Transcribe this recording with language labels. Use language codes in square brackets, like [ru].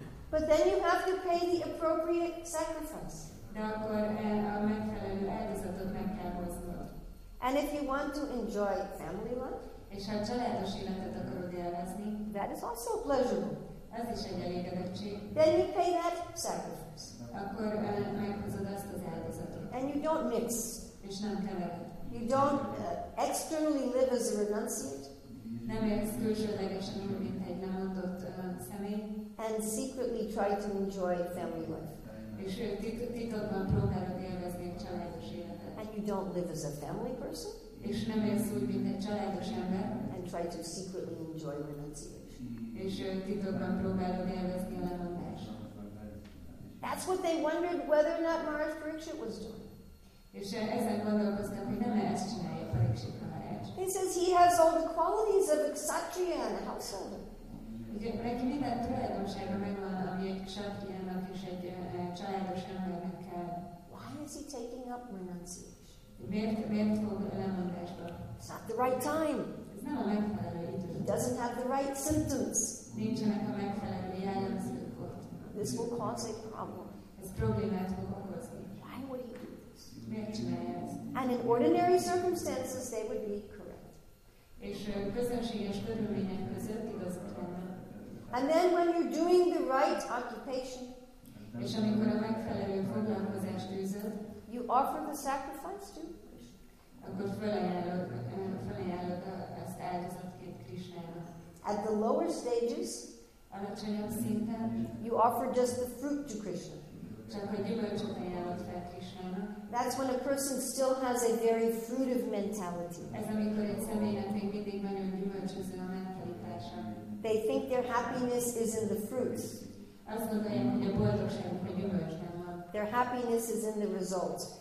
[en] But then you have to pay the appropriate sacrifice. And if you want to enjoy family life, that is also pleasurable. [hu] Az is egy elégedettség. [en] Then you pay that sacrifice. [hu] Akkor meghozod azt az áldozatot. [en] And you don't mix. [hu] És nem kevered. [en] You don't externally live as a renunciate. [hu] Nem élsz külsődlegesen, mint egy lemondott személy. [en] And secretly try to enjoy family life. [hu] És titokban próbálod élvezni a családos életet. [en] And you don't live as a family person. [hu] És nem élsz úgy, mint egy családos ember. [en] And try to secretly enjoy renunciation. [hu] És titokban próbálod élvezni a lemondást. [en] That's what they wondered whether or not Maharaj Pariksit was doing. [hu] És ezen gondolkoztam, hogy nem ezt csinálja Pariksit Maharaj. [en] He says he has all the qualities of a Kshatriya and a householder. [hu] Neki minden tulajdonsága megvan, ami egy Kshatriyának és egy családos embernek kell. [en] Why is he taking up renunciation? [hu] Miért fog lemondásba? [en] It's not the right time. [hu] Ez nem a megfelelő idő. [en] He doesn't have the right symptoms. [hu] Nincsenek a megfelelő jelenségek. [en] This will cause a problem. [hu] Ez problémát fog okozni. [en] Why would he do this? [hu] Miért csinálja ezt? [en] And in ordinary circumstances, they would be correct. [hu] És közönséges körülmények között igazat lenne. [en] And then when you're doing the right occupation, [hu] és amikor a megfelelő foglalkozást űzöd, [en] you offer the sacrifice to Krishna. [hu] Akkor felajánlod ezt áldozatként Krishnának. [en] At the lower stages, [hu] alacsonyabb szinten, [en] you offer just the fruit to Krishna. [hu] Csak a gyümölcsöt ajánlod fel Krishnának. [en] That's when a person still has a very fruitive mentality. [hu] Ez amikor egy személynek még mindig nagyon gyümölcsöző a mentalitása. [en] They think their happiness is in the fruit. [hu] Azt gondolják, hogy a boldogságuk a gyümölcsben. [en] Their happiness is in the result.